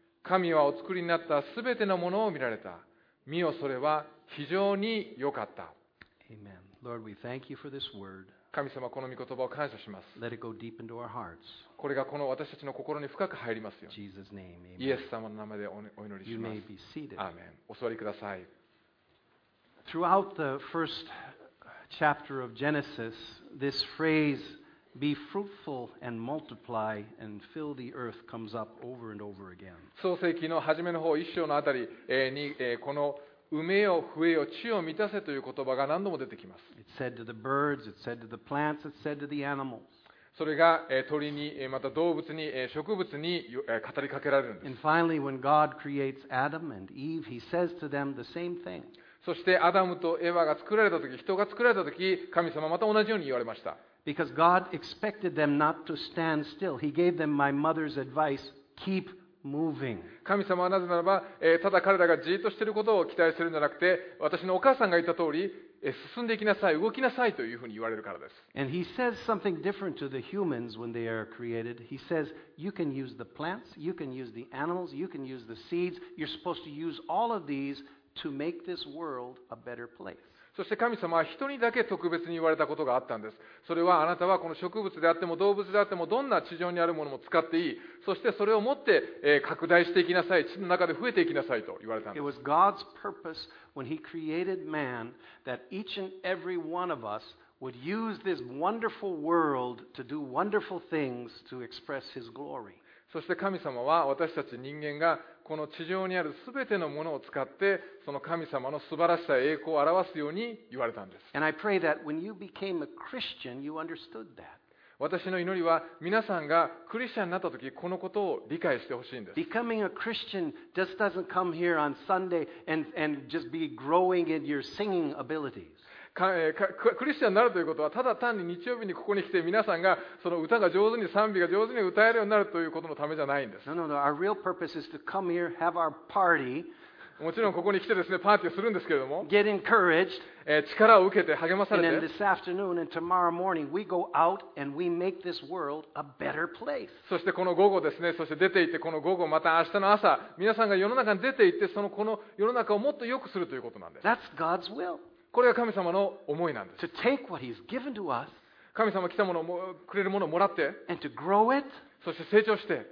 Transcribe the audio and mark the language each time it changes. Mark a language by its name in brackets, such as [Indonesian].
[Japanese] 神はお作りになったすべてのものを見られた。見よ、それは非常に良かった。 [English] Amen. Lord, we thank you for this word. [Japanese] 神様、この御言葉を感謝します。 [English] Let it go deep into our hearts. [Japanese] これがこの私たちの心に深く入りますように。 [English] Jesus' name. [Japanese] イエス様の名前でお祈りします。 [English] You may be seated. [Japanese] アーメン。お座りください。 [English] Throughout the first chapter of Genesis, this phrase, be fruitful and multiply and fill the earth, comes up over and over again. [Japanese] 創世記の初めの方、一章のあたりに、この産めよ、増えよ、地を満たせという言葉が何度も出てきます。 [English] It said to the birds, it said to the plants, it said to the animals. [Japanese] それが鳥に、また動物に、植物に語りかけられるんです。 [English] And finally, when God creates Adam and Eve, He says to them the same thing. [Japanese] そしてアダムとエヴァが作られたとき、人が作られたとき、神様また同じように言われました。 [English] Because God expected them not to stand still. He gave them my mother's advice, keep moving. [Japanese] 神様はなぜならば、ただ彼らがじっとしていることを期待するんじゃなくて、私のお母さんが言った通り、進んでいきなさい、動きなさいというふうに言われるからです。 [English] And he says something different to the humans when they are created. He says, you can use the plants, you can use the animals, you can use the seeds. You're supposed to use all of these to make this world a better place. [Japanese] そして神様は人にだけ特別に言われたことがあったんです。それはあなたはこの植物であっても動物であってもどんな地上にあるものも使っていい。そしてそれを持って拡大していきなさい。地の中で増えていきなさいと言われたんです。 [English] It was God's purpose when He created man that each and every one of us would use this wonderful world to do wonderful things to express His glory. [Japanese] そして神様は私たち人間がこの地上にあるすべてのものを使ってその神様の素晴らしさ栄光を表すように言われたんです。 [English] And I pray that when you became a Christian, you understood that. [Japanese] 私の祈りは皆さんがクリスチャンになったときこのことを理解してほしいんです。 [English] Becoming a Christian just doesn't come here on Sunday and just be growing in your singing abilities. [Japanese] クリスチャンになるということはただ単に日曜日にここに来て皆さんがその歌が上手に賛美が上手に歌えるようになるということのためじゃないんです。 [English] No. Our real purpose is to come here, have our party. [Japanese] もちろんここに来てですねパーティーをするんですけれども [English] Get encouraged. [Japanese] 力を受けて励まされて [English] And this afternoon and tomorrow morning, we go out and we make this world a better place. [Japanese] そしてこの午後ですねそして出て行ってこの午後また明日の朝皆さんが世の中に出て行ってそのこの世の中をもっと良くするということなんです [English] That's God's will. [Japanese] これが神様の思いなんです [English] To take what he's given to us [Japanese] 神様が来たものをくれるものをもらって [English] And to grow it. [Japanese] そして成長して、